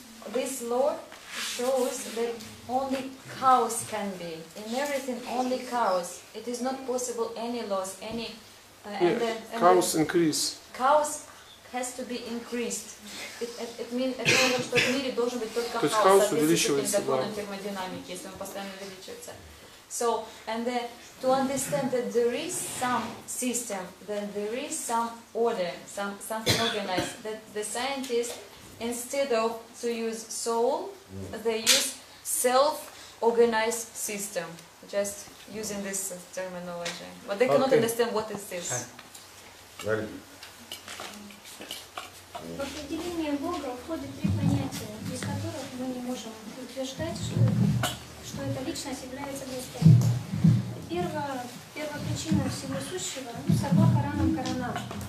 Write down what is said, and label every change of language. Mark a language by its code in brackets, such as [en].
[en] This law shows that only chaos can be. In everything, only chaos. It is not possible any laws, any... Chaos increase. Chaos has to be increased. It means that in the world there should be only chaos. [ru] Chaos увеличивается, да. Закон термодинамики, если он постоянно увеличивается. [en] So, and then to understand that there is some system, that there is some order, something organized, that the scientists, instead of to use soul, they use self-organized system. Just using this terminology. But they cannot understand what is this. [ru] По определению Бога входят три понятия, из которых мы не можем утверждать, что эта личность является Господом. Первая причина всего сущего – сорва Кораном Корона.